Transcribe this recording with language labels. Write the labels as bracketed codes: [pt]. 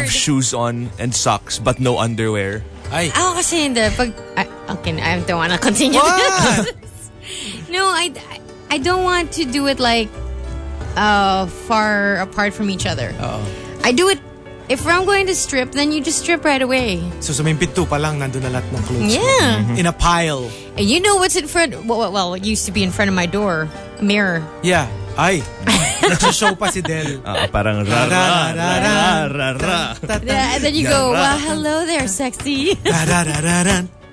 [en] Have shoes on and socks, but no underwear. Ay. [tl] Ako kasi hindi. [en] Pag, okay, I don't want to continue. What? No, I don't want to do it like far apart from each other. Uh-oh. I do it if I'm going to strip, then you just strip right away. [tl] So sa may pito pa lang nandun na lahat ng clothes. [en] Yeah. Mm-hmm. In a pile. And you know what's in front? Well, it used to be in front of my door, a mirror. [tl] Yeah. Ay, nagsishow pa si Del. Parang ra-ra-ra-ra-ra-ra. [en] Yeah, and then you go, well, hello there, sexy. Ra-ra-ra-ra-ra.